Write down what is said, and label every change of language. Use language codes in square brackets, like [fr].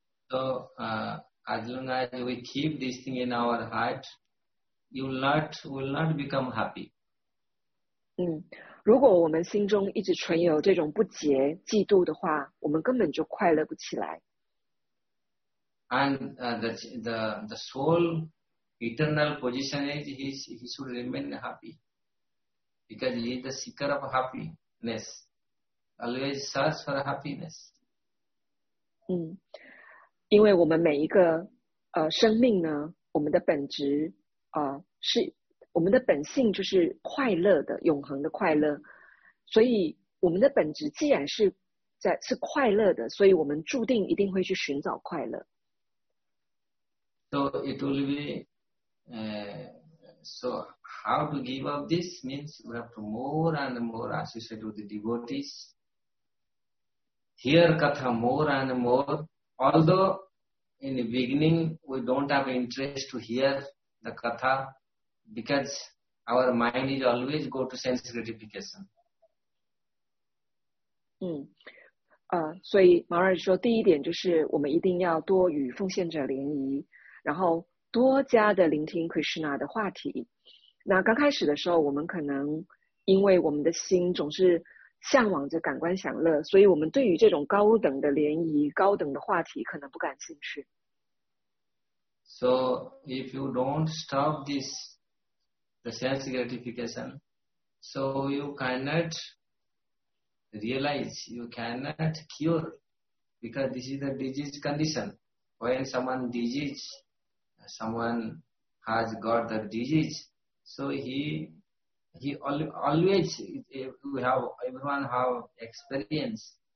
[en] So, as long as we keep this thing in our heart, will not become happy. [zh] 嗯，如果我们心中一直存有这种不洁、嫉妒的话，我们根本就快乐不起来。 [en] And the soul eternal position is he should remain happy because he is the seeker of happiness, always search for happiness. [zh] 嗯，因为我们每一个生命呢，我们的本质是我们的本性就是快乐的永恒的快乐，所以我们的本质既然是快乐的，所以我们注定一定会去寻找快乐。 [en] So it will be, so how to give up this means we have to more and more associate with the devotees, hear katha more and more. Although in the beginning we don't have interest to hear the katha because our mind is always go to sense gratification. [zh] 所以毛尔说第一点就是我们一定要多与奉献者联谊。然后多加的聆听 Krishna 的话题。那刚开始的时候，我们可能因为我们的心总是向往着感官享乐，所以我们对于这种高等的联谊、高等的话题可能不感兴趣。 [en] So if you don't stop this, the sense gratification, so you cannot realize, you cannot cure, because this is a disease condition. When someone disease,someone has got the disease, so he always, everyone have experience.